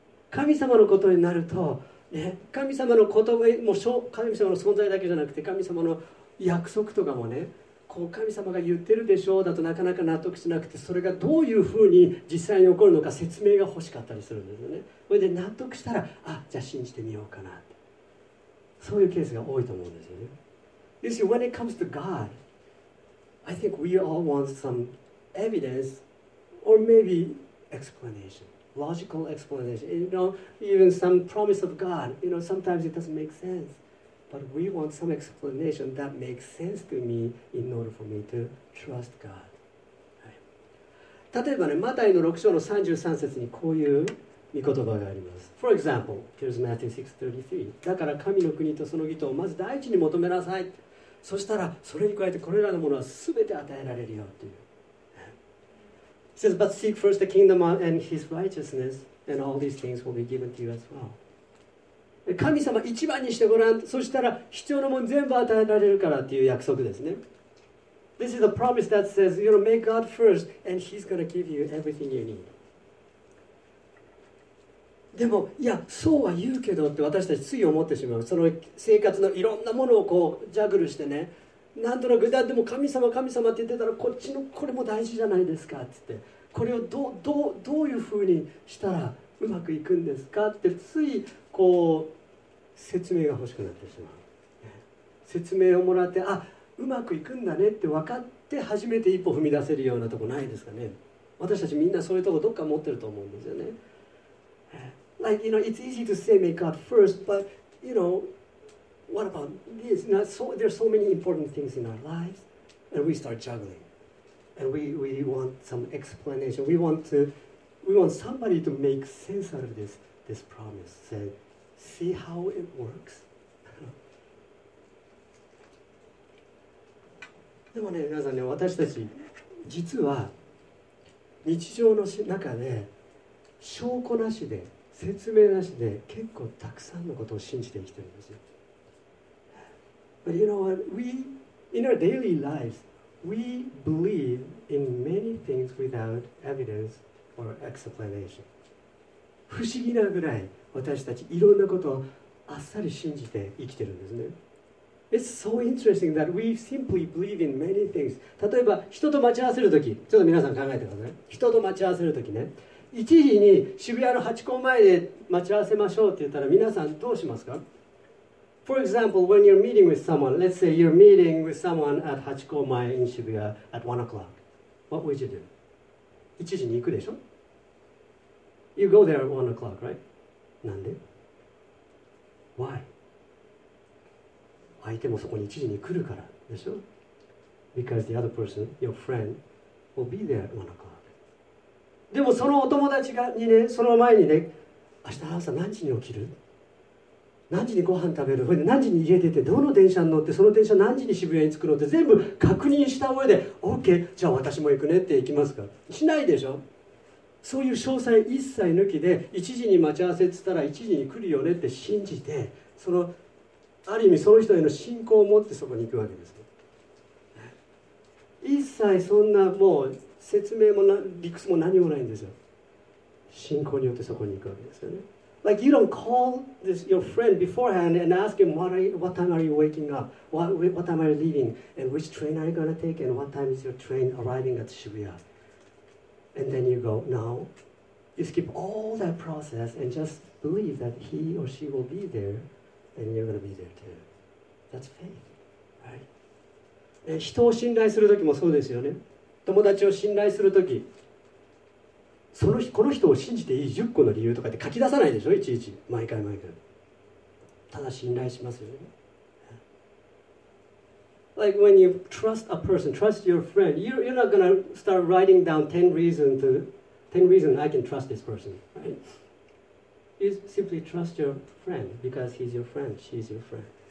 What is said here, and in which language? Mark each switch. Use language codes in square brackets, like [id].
[ja] 神様のことになると、ね、神様のことも神様の存在だけじゃなくて神様の約束とかもね、こう神様が言ってるでしょうだとなかなか納得しなくて、それがどういうふうに実際に起こるのか説明が欲しかったりするんですよね。それで納得したら、あ、じゃあ信じてみようかなって、そういうケースが多いと思うんですよね。 [en] You see, when it comes to God, I think we all want some evidence or maybe explanation, logical explanation, you know, even some promise of God, you know, sometimes it doesn't make sense. But we want some explanation that makes sense to me in order for me to trust God.、 [ja] はい、例えばね、マタイの6章の33節にこういう御言葉があります。 [en] For example, here's Matthew 6:33. [ja] だから神の国とその義とをまず第一に求めなさい。そしたらそれに加えてこれらのものは全て与えられるよっていう。 [en] It says, but seek first the kingdom and his righteousness, and all these things will be given to you as well. [ja] 神様一番にしてごらん、そしたら必要なもの全部与えられるからっていう約束ですね。 [en] This is a promise that says, you know, make God first and he's going to give you everything you need. [ja] でも、いや、そうは言うけどって私たちつい思ってしまう。その生活のいろんなものをこうジャグルしてね、なんとなく、だってもう神様神様って言ってたらこっちのこれも大事じゃないですかって言って、これをどういうふうにしたらうまくいくんですかって、ついこう説明が欲しくなってしまう。説明をもらって、あ、うまくいくんだねって分かって初めて一歩踏み出せるようなとこないですかね。私たちみんなそういうとこどっか持ってると思うんですよね。 [en] Like, you know, it's easy to say make God first, but you know, what about this? Now, so, there are so many important things in our lives, and we start juggling. And we want some explanation. We want somebody to make sense out of this. This promise said, see how it works? [ja] でもね、皆さんね、私たち実は日常の中で証拠なしで説明なしで結構たくさんのことを信じて生きてるんですよ。 [en] But you know what? We, in our daily lives, we believe in many things without evidence or explanation. [ja] 不思議なぐらい私たちいろんなことをあっさり信じて生きてるんですね。 [en] It's so interesting that we simply believe in many things. [ja] 例えば人と待ち合わせるとき、ちょっと皆さん考えてください。人と待ち合わせるときね、1時に渋谷のハチ公前で待ち合わせましょうって言ったら皆さんどうしますか？ [en] For example, when you're meeting with someone, let's say you're meeting with someone at ハチ公前 in 渋谷 at 1 o'clock. What would you do? [ja] 1時に行くでしょ？ [en] You go there at 1 o'clock, right? [ja] なんで? [en] Why? [ja] 相手もそこに1時に来るからでしょ? [en] Because the other person, your friend, will be there at 1 o'clock. [ja] でもそのお友達がにね、その前にね、明日朝何時に起きる? 何時にご飯食べる?何時に家出て、どの電車に乗って、その電車何時に渋谷に着くのって全部確認した上で、OK、じゃあ私も行くねって行きますか?しないでしょ? そういう詳細一切抜きで、1時に待ち合わせって言ったら1時に来るよねって信じて、そのある意味その人への信仰を持ってそこに行くわけです。一切そんなもう説明も理屈も何もないんですよ。信仰によってそこに行くわけですよね。 [en] Like you don't call this your friend beforehand and ask him what time are you waking up? What time are you leaving? And which train are you going to take? And what time is your train arriving at Shibuya? And then you go, no, you skip all that process and just believe that he or she will be there and you're going to be there too. That's faith, right? [ja] 人を信頼するときもそうですよね。友達を信頼するとき、この人を信じていい10個の理由とかって書き出さないでしょ、いちいち、毎回毎回。ただ信頼しますよね。 [en] Like when you trust a person, trust your friend, you're not going to start writing down 10 reasons I can trust this person, right? You simply trust your friend because he's your friend, she's your friend.